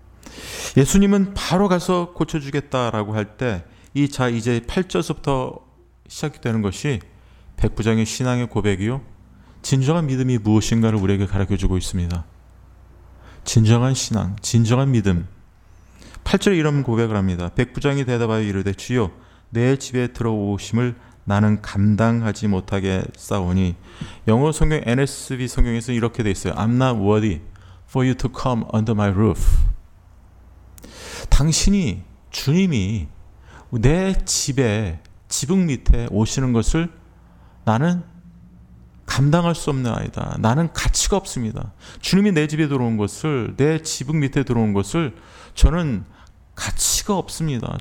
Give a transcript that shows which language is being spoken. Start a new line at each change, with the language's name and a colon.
Korean: 예수님은 바로 가서 고쳐주겠다라고 할 때 이제 8절부터 시작이 되는 것이 백부장의 신앙의 고백이요 진정한 믿음이 무엇인가를 우리에게 가르쳐주고 있습니다. 진정한 신앙, 진정한 믿음. 8절에 이런 고백을 합니다. 백부장이 대답하여 이르되 주여 내 집에 들어오심을 나는 감당하지 못하게 싸우니. 영어 성경 NSV 성경에서 이렇게 돼 있어요.
English: I'm not worthy for you to come under my roof.
Korean: 당신이 주님이 내 집에 지붕 밑에 오시는 것을 나는 감당할 수 없는 아이다. 나는 가치가 없습니다. 주님이 내 집에 들어온 것을 내 지붕 밑에 들어온 것을 저는 가치가 없습니다.